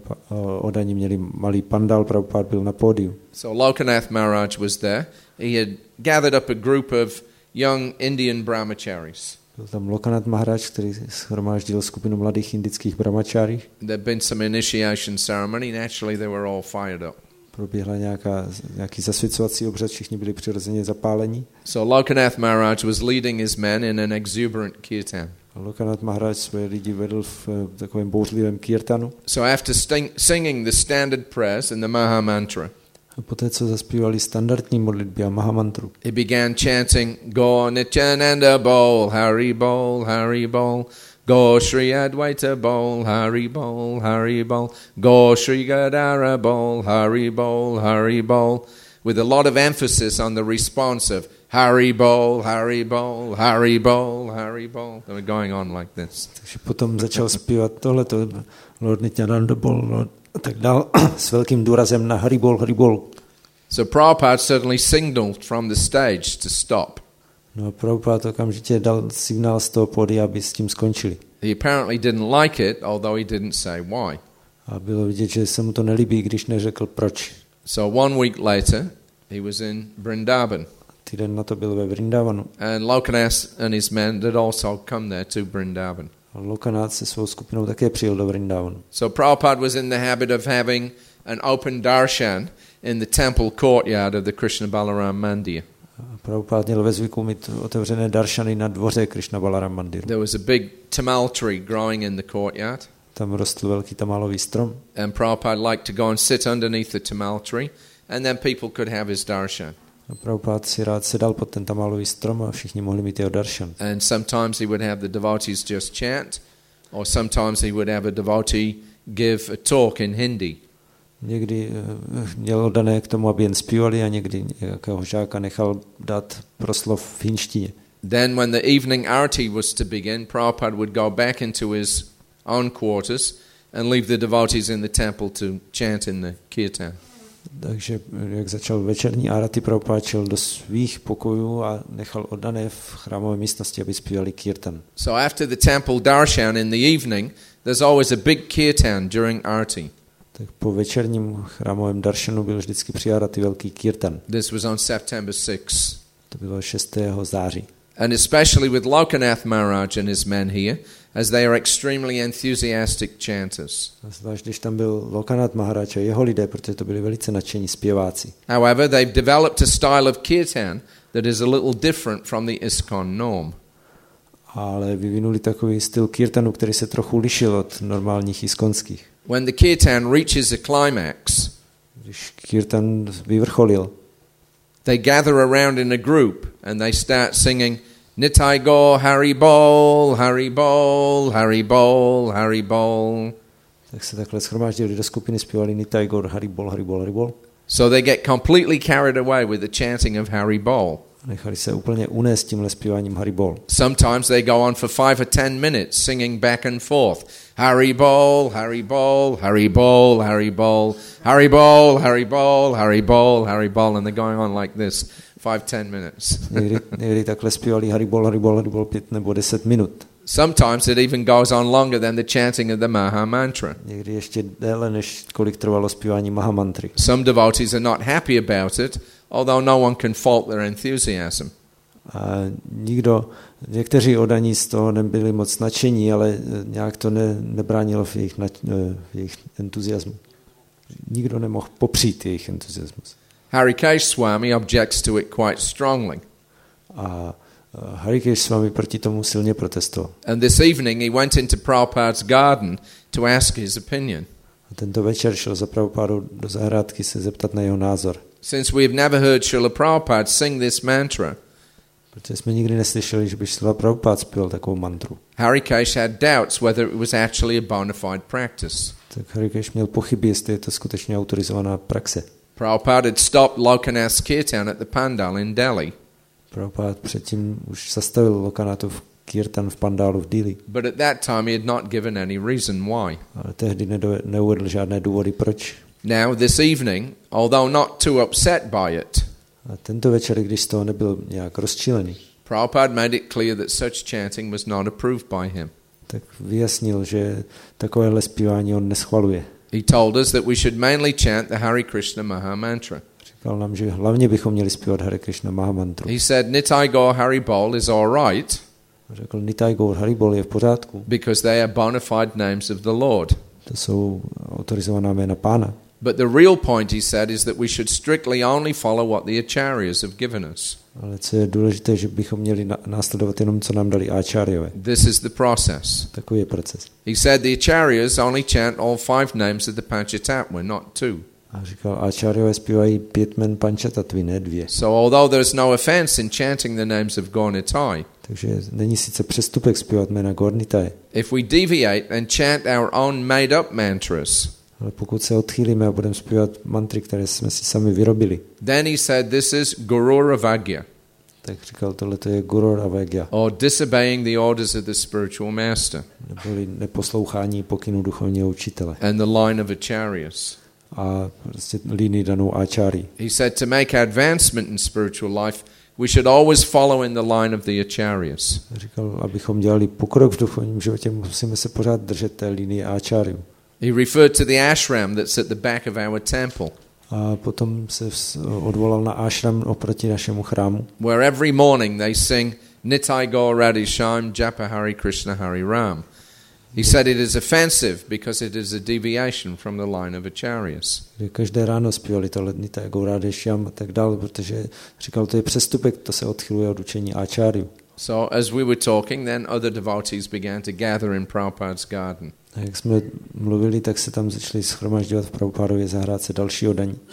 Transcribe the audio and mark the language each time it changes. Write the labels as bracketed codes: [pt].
[cs] Oni měli malý pandal, Prabhupada byl na pódiu. [en] So Lokanath Maharaj was there. He had gathered up a group of young Indian brahmacharis. [cs] Byl tam Lokanath Maharaj, který shromáždil skupinu mladých indických brahmacharí. [en] There'd been some initiation ceremony, naturally they were all fired up. [cs] Proběhla nějaký zasvěcovací obřad, všichni byli přirozeně zapálení. [en] So Lokanath Maharaj was leading his men in an exuberant kirtan. [cs] Lokanath Maharaj své lidi vedl v takovém bouřlivém kirtanu. [en] So after singing the standard prayers and the Maha Mantra. [cs] A poté, co zaspívali standardní modlitby a Mahamantru. [en] He began chanting, Gaur Nityananda Bol, Hari Bol, Hari Bol, Gaur Shri Advaita Bol, Hari Bol, Hari Bol, Gaur Shri Gadara Bol, Hari Bol, Hari Bol, with a lot of emphasis on the response of Hari Bol, Hari Bol, Hari Bol, Hari Bol. They were going on like this. [cs] Takže potom začal zpívat tohleto, Lord Nityananda Bol, Lord. A tak dál s velkým důrazem na Haribol, Haribol. [en] So Prabhupada certainly signaled from the stage to stop. [cs] No a Prabhupada okamžitě dal signál z toho pódia, aby s tím skončili. [en] He apparently didn't like it, although he didn't say why. [cs] A bylo vidět, že se mu to nelíbí, když neřekl proč. [en] So one week later, he was in Vrindavan. [cs] Týden na to byl ve Vrindavanu. [en] And Lokanath and his men had also come there to Vrindavan. [cs] Lokanath se svou skupinou také přijel do Vrindavanu. [en] So Prabhupada was in the habit of having an open darshan in the temple courtyard of the Krishna Balaram Mandir. [cs] Prabhupada měl ve zvyku mít otevřené darshany na dvoře Krishna Balaram Mandiru. [en] There was a big tamal tree growing in the courtyard. [cs] Tam rostl velký tamalový strom. [en] And Prabhupada liked to go and sit underneath the tamal tree, and then people could have his darshan. [cs] A Prabhupád si rád sedal pod ten tamalový strom a všichni mohli mít jeho darshan. [en] And sometimes he would have the devotees just chant, or sometimes he would have a devotee give a talk in Hindi. [cs] Někdy měl dané k tomu, aby jen zpívali, a někdy nějakého žáka nechal dát proslov v hinštině. [en] Then when the evening arati was to begin, Prabhupád would go back into his own quarters and leave the devotees in the temple to chant in the kirtan. [cs] Takže jak začal večerní arati, Prabhupád šel do svých pokojů a nechal oddané v chrámové místnosti, aby zpívali kirtan. [en] So after the temple darshan in the evening, there's always a big kirtan during arati. [cs] Tak po večerním chrámovém darshanu byl vždycky při arati velký kirtan. [en] This was on September 6. [cs] To bylo 6. září. [en] And especially with Lokanath Maharaj and his men here, as they are extremely enthusiastic chanters. [cs] Zvlášť když tam byl Lokanath Maharaj a jeho lidé, protože to byli velice nadšení zpěváci. [en] However, they've developed a style of kirtan that is a little different from the ISKCON norm. [cs] Ale vyvinuli takový styl kirtanu, který se trochu lišil od normálních iskonských. [en] When the kirtan reaches a climax, [cs] když kirtan vyvrcholil, [en] they gather around in a group and they start singing Nitai Gaur Hari Bol, Hari Bol, Hari Bol, Hari Bol. [cs] Tak se takhle shromáždili do skupiny, zpívali Nitai Gaur Hari Bol, Hari Bol, Hari Bol. [en] So they get completely carried away with the chanting of Hari Bol. [cs] Nechali se úplně unést tímhle zpíváním Hari Bol. [en] Sometimes they go on for 5 or 10 minutes singing back and forth. Hari Bol, Hari Bol, Hari Bol, Hari Bol, Hari Bol, Hari Bol, Hari Bol, Hari Bol, and they're going on like this 5-10 minutes. [cs] Někdy takhle zpívali Hari Bol, Hari Bol, Hari Bol 5 nebo 10 minut. [en] Sometimes it even goes on longer than the chanting of the Maha Mantra. [cs] Někdy ještě déle, než kolik trvalo zpívání Maha Mantry. [en] Some devotees are not happy about it, although no one can fault their enthusiasm. [cs] A nikdo, někteří oddaní z toho nebyli moc nadšení, ale nějak to nebránilo v jejich entuziasmu. Nikdo nemohl popřít jejich entuziasmus. [en] Harikesh Swami objects to it quite strongly. [cs] A Harikesh Swami proti tomu silně protestoval. [en] And this evening he went into Prabhupada's garden to ask his opinion. [cs] A tento večer šel za Prabhupádou do zahrádky se zeptat na jeho názor. [en] Since we have never heard Srila Prabhupada sing this mantra. [cs] Protože jsme nikdy neslyšeli, že by Srila Prabhupada zpíval takovou mantru. [en] Harikesh had doubts whether it was actually a bona fide practice. [cs] Tak Harikesh měl pochyby, jestli je to skutečně autorizovaná praxe. [en] Prabhupada had stopped Lokanath's kirtan at the Pandal in Delhi. [cs] Prabhupada předtím už zastavil Lokanathův kirtan v Pandalu v Delhi. [en] But at that time he had not given any reason why. [cs] Ale tehdy neuvedl žádné důvody proč. [en] Now this evening, although not too upset by it. [cs] A tento večer, když z toho nebyl nějak rozčílený. [en] Prabhupada made it clear that such chanting was not approved by him. [cs] Tak vyjasnil, že takovéhle zpívání on neschvaluje. [en] He told us that we should mainly chant the Hare Krishna Maha Mantra. [cs] Říkal nám, že hlavně bychom měli zpívat Hare Krishna Maha Mantru. [en] He said Nitai Gaur Hari Bol is all right. [cs] Řekl Nitai Gaur Hari Bol je v pořádku. [en] Because they are bona fide names of the Lord. [cs] To jsou autorizovaná jména Pána. [en] But the real point, he said, is that we should strictly only follow what the acharyas have given us. [cs] Ale co je důležité, že bychom měli následovat jenom, co nám dali áčárjové. [en] This is the process. [cs] Takový je proces. [en] He said the acharyas only chant all 5 names of the Panchatattva, not 2. [cs] A říkal, áčárjové zpívají 5 jmen Panchatattvy, ne 2. [en] So although there's no offense in chanting the names of Gaur Nitai, [cs] takže není sice přestupek zpívat jména Gaur Nitai. [en] If we deviate and chant our own made-up mantras, [cs] ale pokud se odchýlíme a budeme zpívat mantry, které jsme si sami vyrobili. [en] Then he said, this is Gurur Avagya. [cs] Tak říkal, tohleto je Gurur Avagya. [en] Or disobeying the orders of the spiritual master. [cs] Neboli neposlouchání pokynů duchovního učitele. [en] And the line of acharyas. [cs] A prostě línii danou áčári. [en] He said, to make advancement in spiritual life, we should always follow in the line of the acharyas. [cs] Říkal, abychom dělali pokrok v duchovním životě, musíme se pořád držet té linie áčáriů. [en] He referred to the ashram that's at the back of our temple. [cs] A potom se odvolal na ášram oproti našemu chrámu. [en] Where every morning they sing Nitai Gaur Radhi Shyam Japa Hari Krishna Hari Ram. He said it is offensive because it is a deviation from the line of acharyas. [cs] Každé ráno zpívali to Nitai Gaur Radhi Shyam a tak dál, protože říkal, to je přestupek, to se odchyluje od učení acharyů. [en] So as we were talking, then other devotees began to gather in Prabhupada's garden. [cs] A jak jsme mluvili, tak se tam začali shromažďovat v Prabhupádově zahrádce další oddaní.